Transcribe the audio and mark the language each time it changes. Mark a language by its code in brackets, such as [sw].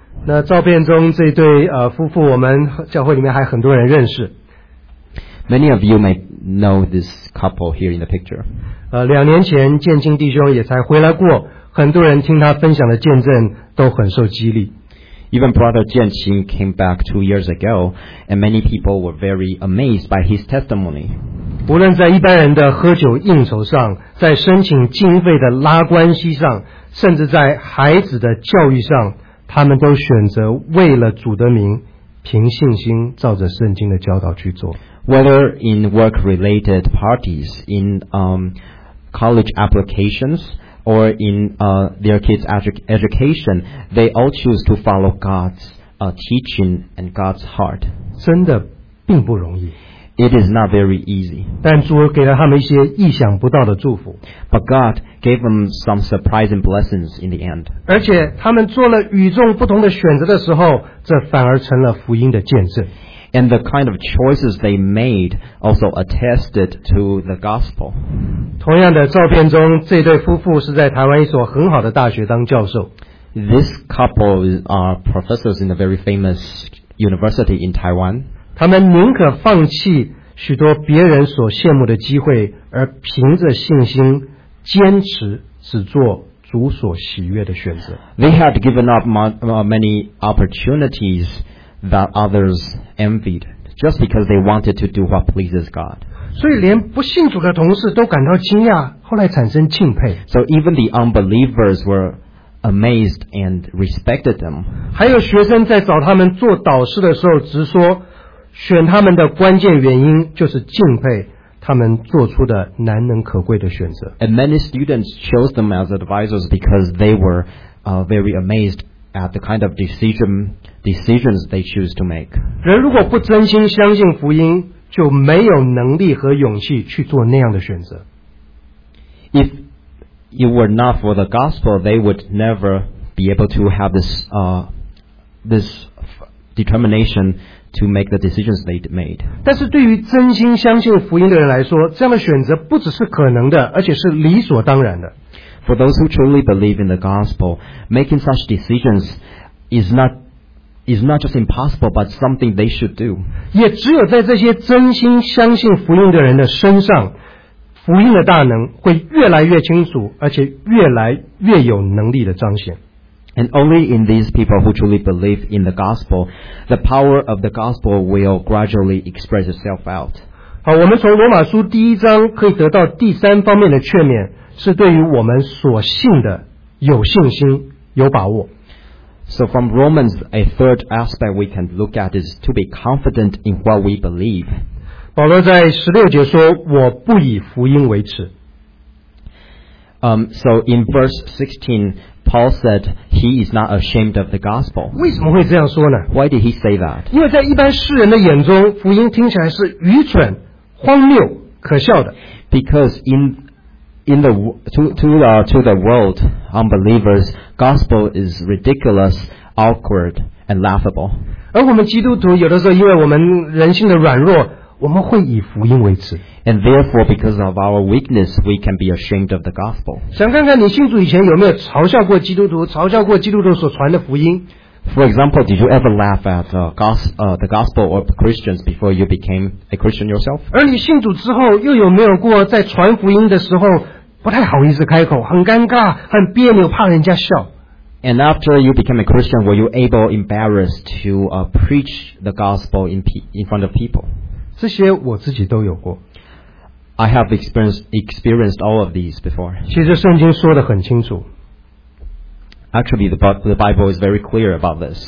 [zh] 那照片中这对夫妇，我们教会里面还很多人认识。 [en] Many of you may know this couple here in the picture. [zh] 两年前建青弟兄也才回来过，很多人听他分享的见证都很受激励。 [en] Even Brother Jian Qing came back 2 years ago, and many people were very amazed by his testimony. [zh] 无论在一般人的喝酒应酬上，在申请经费的拉关系上，甚至在孩子的教育上，他们都选择为了主的名，凭信心照着圣经的教导去做。 [en] Whether in work-related parties, in college applications, or in their kids' education, they all choose to follow God's teaching and God's heart. [zh] 真的并不容易。 [en] It is not very easy. [zh] 但主给了他们一些意想不到的祝福。 [en] But God gave them some surprising blessings in the end. [zh] 而且他们做了与众不同的选择的时候，这反而成了福音的见证。 [en] And the kind of choices they made also attested to the gospel. [zh] 同样的，照片中这对夫妇是在台湾一所很好的大学当教授。 [en] This couple are professors in a very famous university in Taiwan. [zh] 他们宁可放弃许多别人所羡慕的机会，而凭着信心坚持只做主所喜悦的选择。 [en] They had given up many opportunities. That others envied, just because they wanted to do what pleases God. [zh] 所以连不信主的同事都感到惊讶，后来产生敬佩。 [en] So even the unbelievers were amazed and respected them. [zh] 还有学生在找他们做导师的时候，直说选他们的关键原因就是敬佩他们做出的难能可贵的选择。 [en] And many students chose them as advisors because they were very amazed. At the kind of decisions they choose to make. [zh] 人如果不真心相信福音，就没有能力和勇气去做那样的选择。 [en] If it were not for the gospel, they would never be able to have this determination to make the decisions they made. [zh] 但是对于真心相信福音的人来说，这样的选择不只是可能的，而且是理所当然的。 [en] For those who truly believe in the gospel, making such decisions is not just impossible, but something they should do. [zh] 也只有在这些真心相信福音的人的身上，福音的大能会越来越清楚，而且越来越有能力的彰显。 [en] And only in these people who truly believe in the gospel, the power of the gospel will gradually express itself out. [zh] 好，我们从罗马书第一章可以得到第三方面的劝勉。是对于我们所信的有信心有把握。 [en] So from Romans, a third aspect we can look at is to be confident in what we believe. [zh] 保罗在十六节说：“我不以福音为耻。” [en] So in verse 16, Paul said he is not ashamed of the gospel. [zh] 为什么会这样说呢？ [en] Why did he say that? [zh] 因为在一般世人的眼中，福音听起来是愚蠢、荒谬、可笑的。 [en] Because in the world, unbelievers, gospel is ridiculous, awkward, and laughable. [zh] 而我们基督徒有的时候，因为我们人性的软弱，我们会以福音为耻。 [en] And therefore, because of our weakness, we can be ashamed of the gospel. [zh] 想看看你信主以前有没有嘲笑过基督徒，嘲笑过基督徒所传的福音。 [en] For example, did you ever laugh at the gospel or Christians before you became a Christian yourself? [zh] 而你信主之后，又有没有过在传福音的时候不太好意思开口，很尴尬，很别扭，怕人家笑？ [en] And after you became a Christian, were you able, embarrassed, to preach the gospel in front of people? [zh] 这些我自己都有过。 [en] I have experienced all of these before. [zh] 其实圣经说得很清楚。 [en] Actually, the Bible is very clear about this.